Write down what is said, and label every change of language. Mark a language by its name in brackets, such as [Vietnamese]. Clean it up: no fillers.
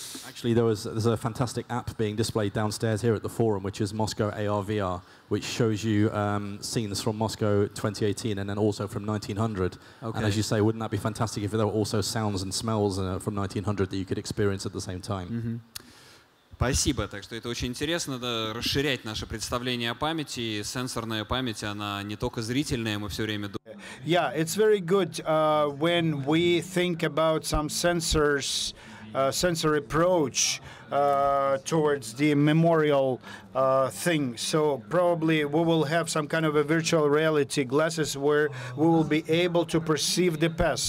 [English] Actually, there's a fantastic app being displayed downstairs here at the forum, which is Moscow ARVR, which shows you scenes from Moscow 2018 and then also from 1900. Okay. And as you say, wouldn't that be fantastic if there were also sounds and smells from 1900 that you could experience at the same time? [Russian] Mm-hmm. Спасибо. Так что это очень интересно, да, расширять наше представление о памяти. Сенсорная память, она не только зрительная, мы все время думаем. [English] Yeah, it's very good when we think about some sensors, sensor approach towards the memorial thing. So probably we will have some kind of a virtual reality glasses where we will be able to perceive the past.